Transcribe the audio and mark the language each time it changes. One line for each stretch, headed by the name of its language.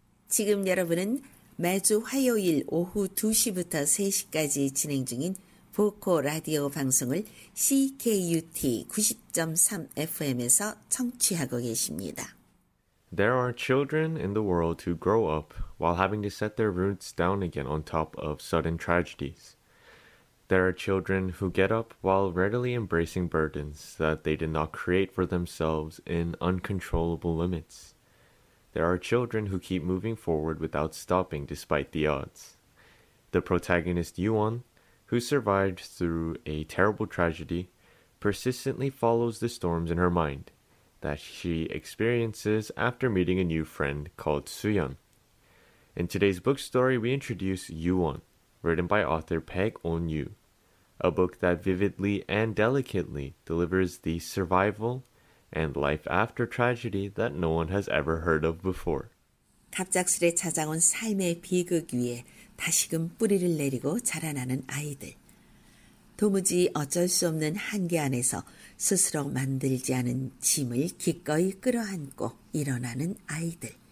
Korean: 지금 여러분은 매주 화요일 오후 2시부터 3시까지 진행 중인 보코 라디오 방송을 CKUT 90.3 FM에서 청취하고 계십니다.
English: There are children in the world who grow up while having to set their roots down again on top of sudden tragedies. There are children who get up while readily embracing burdens that they did not create for themselves in uncontrollable limits. There are children who keep moving forward without stopping despite the odds. The protagonist Yuan, who survived through a terrible tragedy, persistently follows the storms in her mind that she experiences after meeting a new friend called Suyeon. In today's book story, we introduce Yuan, written by author Park On-yu, a book that vividly and delicately delivers the survival and life after tragedy that no one has ever heard of before.
Korean: 갑작스레 찾아온 삶의 비극 위에 다시금 뿌리를 내리고 자라나는 아이들. 도무지 어쩔 수 없는 한계 안에서 스스로 만들지 않은 짐을 기꺼이 끌어안고 일어나는 아이들.